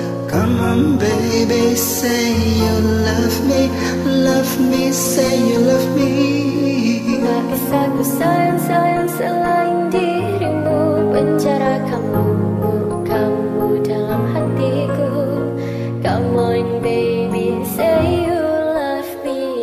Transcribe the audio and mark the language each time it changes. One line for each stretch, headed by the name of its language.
English: Come on baby, say you love me. Love me, say you love me.
Indonesian: Tak bisa ku sayang-sayang selain dirimu. Penjara kamu dalam hatiku.
English: Come on baby, say you love me.